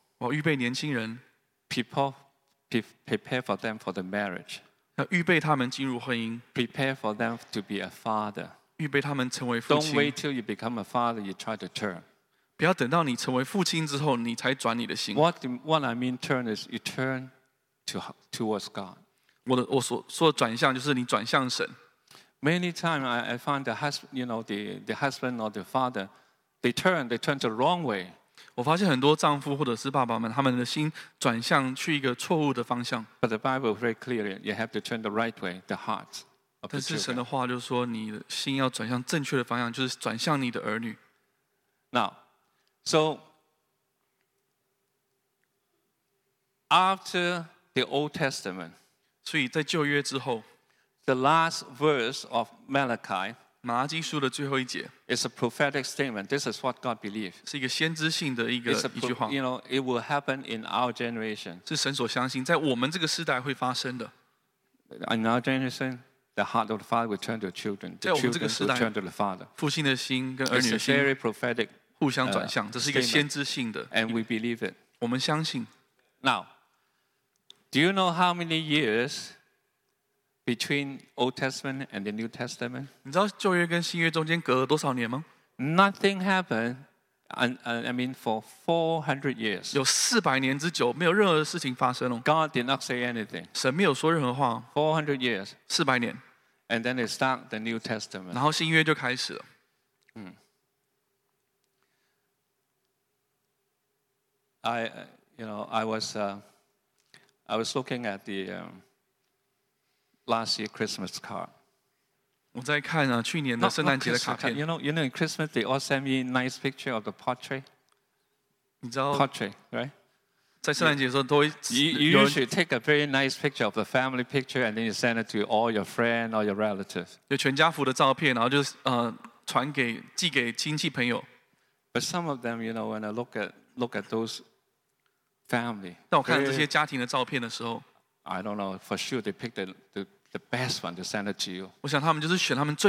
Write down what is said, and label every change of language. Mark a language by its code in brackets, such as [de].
[zh] 我预备年轻人。 [en] People prepare for them for the marriage. [zh] 要预备他们进入婚姻。 [en] Prepare for them to be a father. [zh] 预备他们成为父亲。 [en] Don't wait till you become a father. You try to turn. [zh] 不要等到你成为父亲之后，你才转你的心。 [en] What I mean turn is you turn towards God. [zh] 我说的转向就是你转向神。 [en] Many times I find the husband, you know, the husband or the father, they turn the wrong way. [zh] 我发现很多丈夫或者是爸爸们，他们的心转向去一个错误的方向。 [en] But the Bible very clearly, you have to turn the right way, the heart. [zh] 但是神的话就是说，你的心要转向正确的方向，就是转向你的儿女。 [en] Now, so after the Old Testament, [zh] 所以在旧约之后。 [en] The last verse of Malachi, [zh] 马拉基书的最后一节, [en] is a prophetic statement. This is what God believes. [zh] 是一个先知性的一个, [en] it's a pro, you know, it will happen in our generation. [zh] 是神所相信, [en] in our generation, the heart of the father will turn to the children. The children will turn to the father. [zh] 父亲的心跟儿女的心, [en] it's a very prophetic [zh] 互相转向, [en] statement. And we believe it. [zh] 我们相信, [en] now, do you know how many years between Old Testament and the New Testament? [zh] 你知道旧约跟新约中间隔了多少年吗? [en] Nothing happened, I mean, for 400 years. [zh] 有400年之久,没有任何事情发生哦。 [en] God did not say anything. [zh] 神没有说任何话。 [en] 400 years. [zh] 400年。 [en] And then it starts the New Testament. [zh] 然后新约就开始了。 [en] I was looking at the last year Christmas card. [zh] 我在看去年的圣诞节的卡片。 [en] You know, in Christmas, they all send me a nice picture of the portrait. [zh] 你知道, [en] portrait, right? [zh] 在圣诞节的时候都会有人, [en] you should take a very nice picture of the family picture and then you send it to all your friends or your relatives. [zh] 有全家福的照片,然后就传给,寄给亲戚朋友。 [en] But some of them, you know, when I look at those family, [zh] 当我看这些家庭的照片的时候, [en] I don't know, for sure they picked the best one to send it to you.